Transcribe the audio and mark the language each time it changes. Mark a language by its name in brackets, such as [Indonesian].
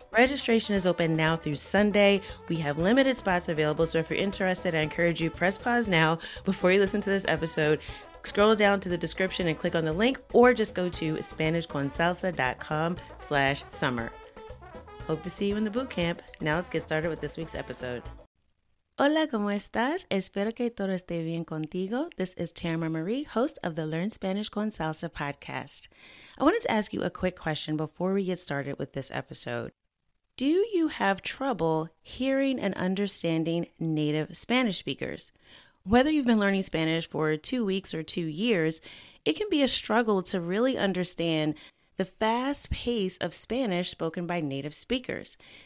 [English] Registration is open now through Sunday. We have limited spots available, so if you're interested, I encourage you to press pause now before you listen to this episode. Scroll down to the description and click on the link, or just go to SpanishConSalsa.com/summer. Hope to see you in the boot camp. Now let's get started with this week's episode. [Spanish] Hola, ¿cómo estás? Espero que todo esté bien contigo. [English] This is Tamara Marie, host of the Learn Spanish con Salsa podcast. I wanted to ask you a quick question before we get started with this episode. Do you have trouble hearing and understanding native Spanish speakers? Whether you've been learning Spanish for 2 weeks or 2 years, it can be a struggle to really understand the fast pace of Spanish spoken by native speakers.